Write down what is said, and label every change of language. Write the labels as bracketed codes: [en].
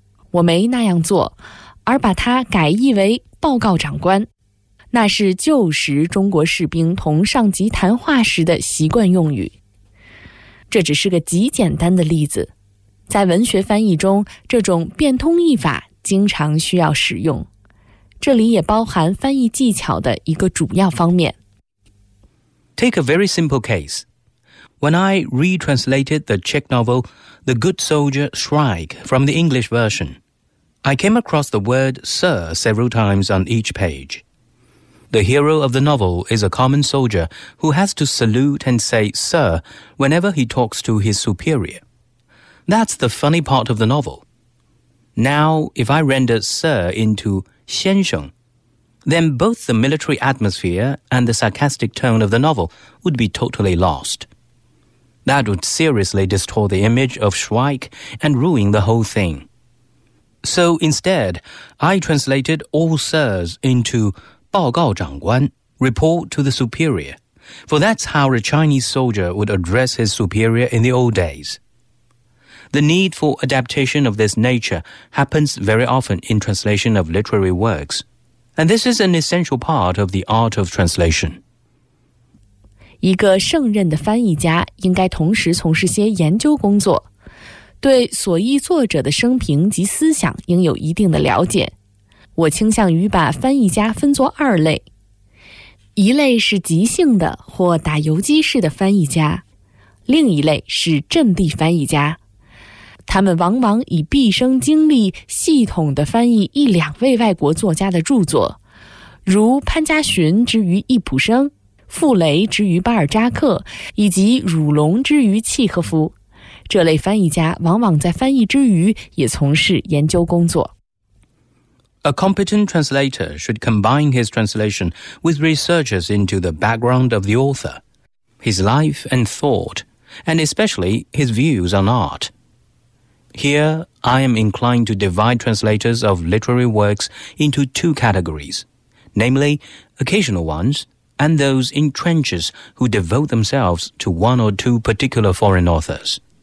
[zh] 我没那样做，而把它改译为报告长官，那是旧时中国士兵同上级谈话时的习惯用语。这只是个极简单的例子，在文学翻译中，这种变通译法经常需要使用。这里也包含翻译技巧的一个主要方面。 [en] Take a very simple case. When I retranslated the Czech novel The Good Soldier Shrike from the English version, I came across the word Sir several times on each page. The hero of the novel is a common soldier who has to salute and say Sir whenever he talks to his superior. That's the funny part of the novel. Now, if I render Sir into... 先生, then both the military atmosphere and the sarcastic tone of the novel would be totally lost. That would seriously distort the image of Shrike and ruin the whole thing. So instead, I translated all sirs into [zh] 报告长官, [en] report to the superior, for that's how a Chinese soldier would address his superior in the old days. The need for adaptation of this nature happens very often in translation of literary works, and this is an essential part of the art of translation. [zh] 一个胜任的翻译家应该同时从事些研究工作，对所译作者的生平及思想应有一定的了解。我倾向于把翻译家分作二类。一类是即兴的或打游击式的翻译家，另一类是阵地翻译家。他们往往以毕生精力系统地翻译一两位外国作家的著作，如潘家寻之于易卜生，傅雷之于巴尔扎克，以及汝龙之于契诃夫。这类翻译家往往在翻译之余也从事研究工作。 [en] A competent translator should combine his translation with researches into the background of the author, his life and thought, and especially his views on art. Here, I am inclined to divide translators of literary works into two categories, namely, occasional ones and those in trenches who devote themselves to one or two particular foreign authors.